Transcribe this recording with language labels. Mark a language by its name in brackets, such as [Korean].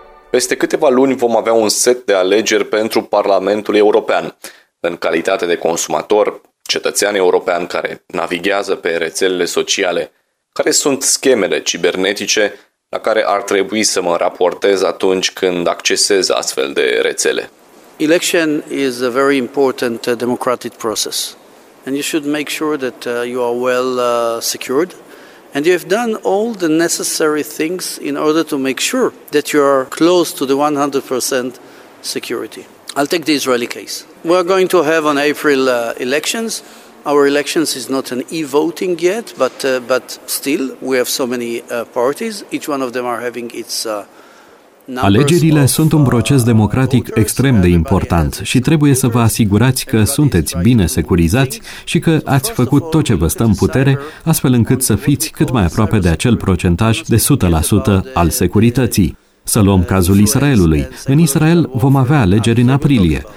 [Romanian] Peste câteva luni vom avea un set de alegeri pentru Parlamentul European. În calitate de consumator, cetățean european care navighează pe rețelele sociale, care sunt schemele cibernetice la care ar trebui să mă raportez atunci când accesez astfel de rețele? [English] Election is a very important democratic process. And you should make sure that you are well secured. And you have done all the necessary things in order to make sure that you are close to the 100% security. I'll take the Israeli case. We're going to have on April elections. Our elections is not an e-voting yet, but still we have so many parties. Each one of them are having its [Romanian] Alegerile sunt un proces democratic extrem de important și trebuie să vă asigurați că sunteți bine securizați și că ați făcut tot ce vă stă în putere, astfel încât să fiți cât mai aproape de acel procentaj de 100% al securității. Să luăm cazul Israelului. În Israel vom avea alegeri în aprilie.